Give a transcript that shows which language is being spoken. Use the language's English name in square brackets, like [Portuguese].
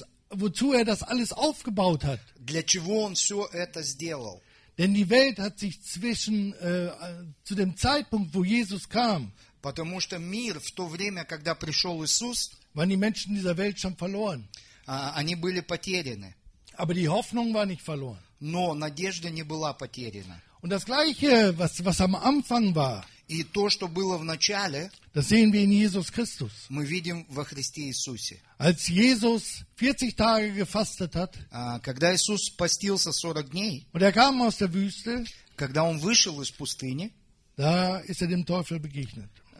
[German] Wozu er das alles aufgebaut hat. [Russian] Для чего он все это сделал. [German] Denn die Welt hat sich zwischen zu dem Zeitpunkt, wo Jesus kam, [Russian] потому что мир в то время, когда пришел Иисус, [German] waren die Menschen dieser Welt schon verloren. [Russian] Они были потеряны. [German] Aber die Hoffnung war nicht verloren. [Russian] Но надежда не была потеряна. [German] Und das Gleiche, was am Anfang war, [Russian] и то, что было в начале, [German] das sehen wir in Jesus Christus. [Russian] Мы видим во Христе Иисусе. [German] Als Jesus 40 Tage gefastet hat, [Russian] когда Иисус постился 40 дней, [German] und er kam aus der Wüste, [Russian] когда он вышел из пустыни, [German] da ist er dem Teufel begegnet.